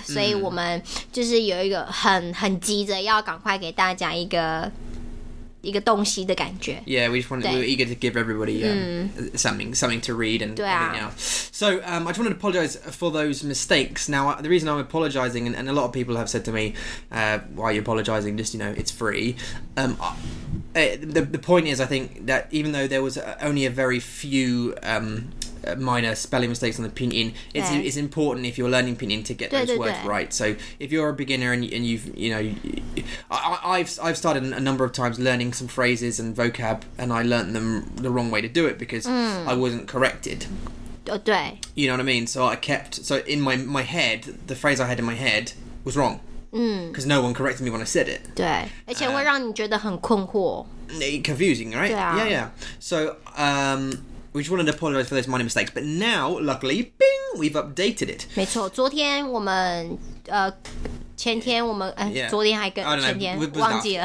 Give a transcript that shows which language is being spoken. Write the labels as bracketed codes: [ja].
[zh] 所以我们就是有一个很急着要赶快给大家一个一个东西的感觉 [en] Yeah, we were eager to give everybody something to read and everything else. So, I just wanted to apologize for those mistakes. Now, the reason I'm apologizing, and a lot of people have said to me, why are you apologizing? Just, you know, it's free. The point is, I think, that even though there was only a very few minor spelling mistakes on the pinyin, it's important if you're learning pinyin to get those words right. So if you're a beginner and you've, you know, I've started a number of times learning some phrases and vocab and I learned them the wrong way to do it because I wasn't corrected. Oh, 对. You know what I mean? So I kept, so in my head, the phrase I had in my head was wrong. Because no one corrected me when I said it. [zh] 对，而且会让你觉得很困惑。 [en] Confusing, right? [zh] 对啊。 [en] Yeah, yeah. So, we just wanted to apologize for those minor mistakes. But now, luckily, bing, we've updated it. [zh] 没错，昨天我们前天我们昨天还跟前天忘记了